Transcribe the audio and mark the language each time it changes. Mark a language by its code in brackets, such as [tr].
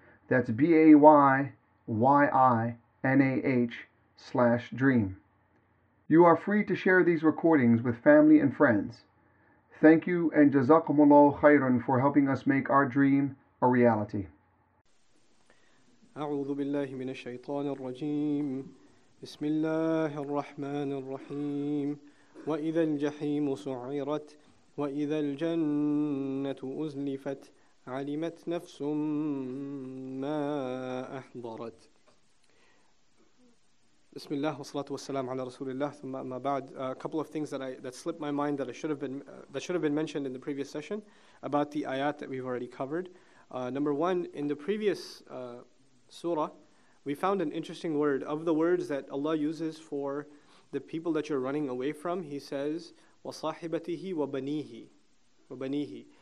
[en] That's BAYYINAH/dream. You are free to share these recordings with family and friends. Thank you and Jazakum Allah Khairan for helping us make our dream a reality. [ar] أعوذ بالله من الشيطان الرجيم بسم الله الرحمن الرحيم وإذا الجحيم سعرت وإذا الجنة أزلفت علمت نفس ما أحضرت بسم الله والصلاة والسلام على رسول الله ثم ما بعد. [en] A couple of things that slipped my mind that should have been mentioned in the previous session about the ayat that we've already covered. Number one, in the previous Surah, we found an interesting word. Of the words that Allah uses for the people that you're running away from, He says, [ar] وَصَاحِبَتِهِ وَبَنِيهِ وَبَنِيهِ.